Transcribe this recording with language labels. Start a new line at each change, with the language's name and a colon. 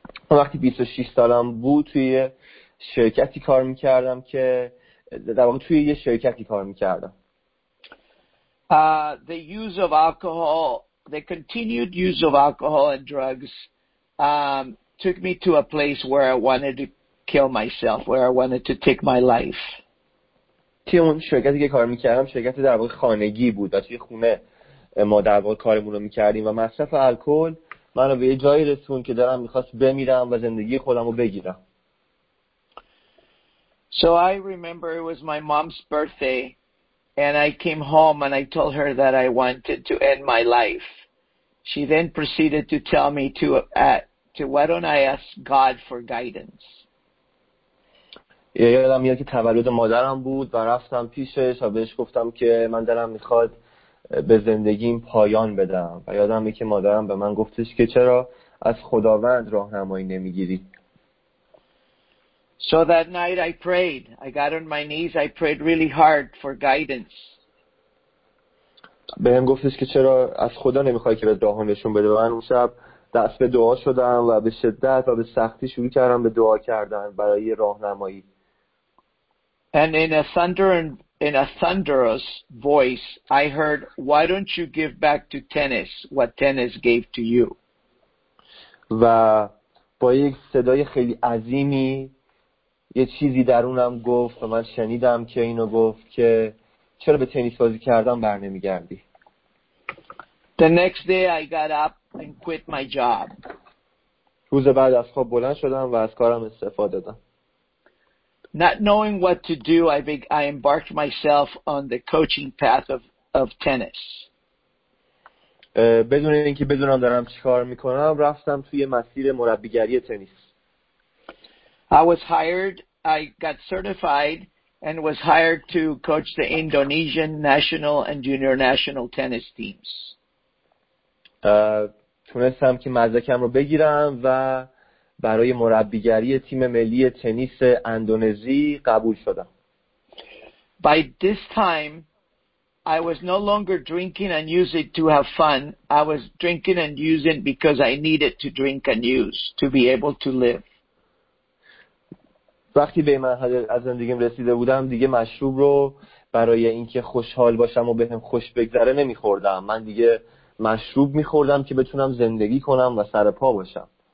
Persian: وقتی 26 سالم بود توی یه شرکتی کار میکردم که در واقع توی یه شرکتی کار میکردم.
English: The use of alcohol, the continued use of alcohol and drugs took me to a place where I wanted to kill myself, where I wanted to take my life.
Persian: توی اون شرکتی که کار میکردم، شرکت در واقع خانگی بود و توی خونه ما در واقع کارمون رو میکردیم و مصرف الکل منو به یه جایی رسوند که دارم میخواست بمیرم و زندگی خودم رو بگیرم.
English: So I remember it was my mom's birthday. And I came home and I told her that I wanted to end my life. She then proceeded to tell me to why don't I ask God for guidance.
Persian: یادم میاد که تولد مادرم بود و رفتم پیشش و بهش گفتم که من دلم میخواد به زندگیم پایان بدم. و یادم میاد که مادرم به من گفتش که چرا از خداوند راهنمایی نمیگیری.
English: So that night I prayed. I got on my knees. I prayed really hard for guidance.
Persian: بهم گفتش که چرا از خدا نمیخوای که به دعا نشون بده. من اون شب دست به دعا شدم و به شدت و به سختی شروع کردم به دعا کردن برای راهنمایی.
English: And in a thunderous voice, I heard, "Why don't you give back to tennis what tennis gave to you?"
Persian: و با یک صدای خیلی عظیمی یه چیزی درونم گفت و من شنیدم که اینو گفت که چرا به تنیس بازی کردن بر نمیگردی.
English: The next day I got up and quit my job.
Persian: روز بعد از خواب بلند شدم و از کارم استعفا دادم.
English: Not knowing what to do, I embarked myself on the coaching path of tennis.
Persian: بدون اینکه بدونم دارم چیکار میکنم، رفتم توی مسیر مربیگری تنیس.
English: I got certified and was hired to coach the Indonesian national and junior national tennis teams.
Persian: تونستم که مدرکم رو بگیرم و برای مربیگری تیم ملی تنیس اندونزی قبول شدم.
English: By this time, I was no longer drinking and using to have fun. I was drinking and using because I needed to drink and use to be able to live.
Persian: وقتی به مرحله از زندگیم رسیده بودم دیگه مشروب رو برای اینکه خوشحال باشم و بهم خوش بگذره نمیخوردم. من دیگه مشروب میخوردم که بتونم زندگی کنم و سر پا باشم.